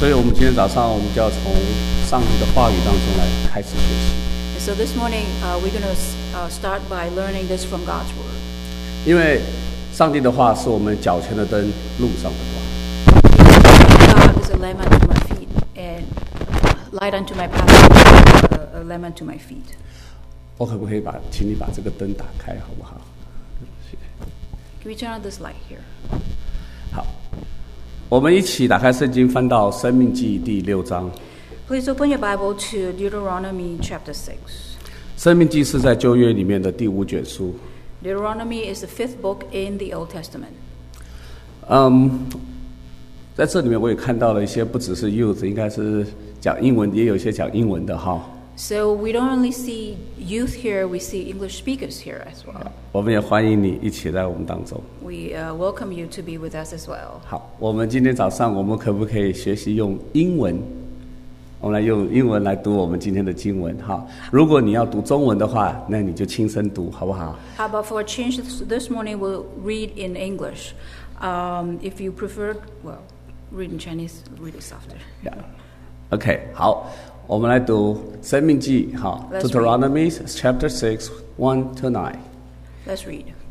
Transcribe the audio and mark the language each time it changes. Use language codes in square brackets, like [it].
[zh] 所以我们今天早上我们就要从上帝的话语当中来开始学习。 [en] And so this morning, we're going to start by learning this from God's word. [zh] 因为上帝的话是我们脚前的灯，路上的光。 [en] God is a lamp unto my feet and light unto my path. A lamp unto my feet. [zh] 我可不可以把，请你把这个灯打开，好不好？ [en] Can we turn on this light here? [zh] 好，我们一起打开圣经，翻到《生命记》第六章。 [en] Please open your Bible to Deuteronomy chapter 6. [zh] 生命记是在旧约里面的第五卷书。 [en] Deuteronomy is the fifth book in the Old Testament. [zh] 在这里面我也看到了一些不只是 youth， 应该是讲英文，也有一些讲英文的哈。 [en] So we don't only see youth here, we see English speakers here as well. [zh] 我们也欢迎你一起在我们当中。 [en] We welcome you to be with us as well. [zh] 好，我们今天早上我们可不可以学习用英文？我们来用英文来读我们今天的经文哈。如果你要读中文的话，那你就轻声读，好不好 [en] ？How about for a change? This morning we'll read in English. If you prefer, well, read in Chinese, read it softer. [zh] Yeah. Okay. 好，我们来读《生命记》哈。 [en] Deuteronomy chapter 6:1-9. Let's read.